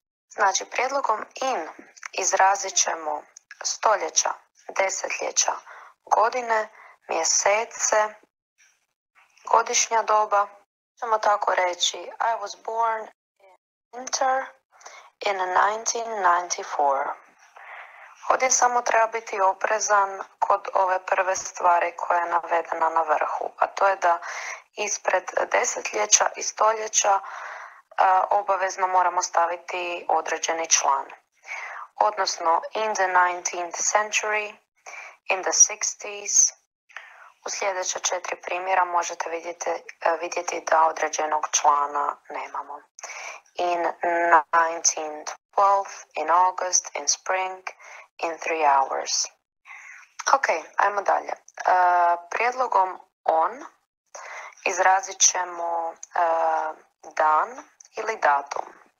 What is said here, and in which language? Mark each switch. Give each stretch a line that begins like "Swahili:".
Croatian: Znači, prijedlogom in izrazit ćemo stoljeća, desetljeća, godine, mjesece, godišnja doba. Možemo tako reći,
English: I was born in winter in 1994.
Croatian: Ovdje samo treba biti oprezan kod ove prve stvari koja je navedena na vrhu, a to je da ispred desetljeća i stoljeća obavezno moramo staviti određeni član.
English: Odnosno, in the 19th century, in the 60s.
Croatian: U sljedeća četiri primjera možete vidjeti da određenog člana nemamo.
English: In 1912, in August, in spring, in 3 hours.
Croatian: Ok, ajmo dalje. Prijedlogom on izrazit ćemo dan ili datum.